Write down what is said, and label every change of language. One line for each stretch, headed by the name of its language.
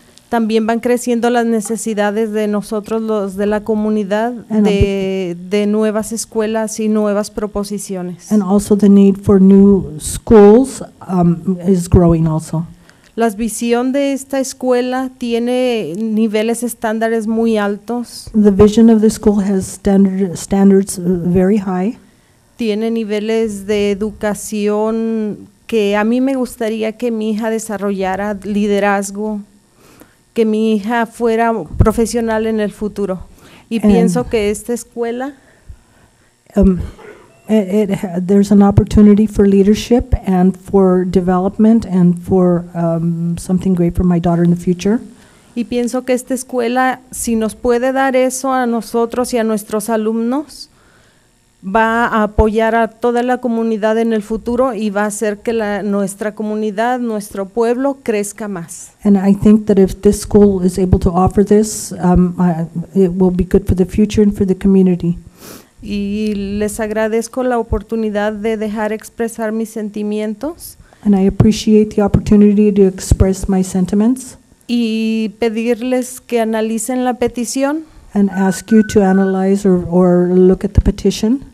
Spanish: también van creciendo las necesidades de nosotros los de la comunidad de nuevas escuelas y nuevas proposiciones.
English: And also the need for new schools is growing also.
Spanish: La visión de esta escuela tiene niveles estándares muy altos.
English: The vision of the school has standards very high.
Spanish: Tiene niveles de educación que a mí me gustaría que mi hija desarrollara liderazgo, que mi hija fuera profesional en el futuro. Y pienso que esta escuela,
English: there's an opportunity for leadership and for development and for something great for my daughter in the future.
Spanish: Y pienso que esta escuela, si nos puede dar eso a nosotros y a nuestros alumnos, va a apoyar a toda la comunidad en el futuro y va a hacer que nuestra comunidad, nuestro pueblo, crezca más.
English: And I think that if this school is able to offer this, it will be good for the future and for the community.
Spanish: Y les agradezco la oportunidad de dejar expresar mis sentimientos.
English: And I appreciate the opportunity to express my sentiments.
Spanish: Y pedirles que analicen la petición.
English: And ask you to analyze or look at the petition.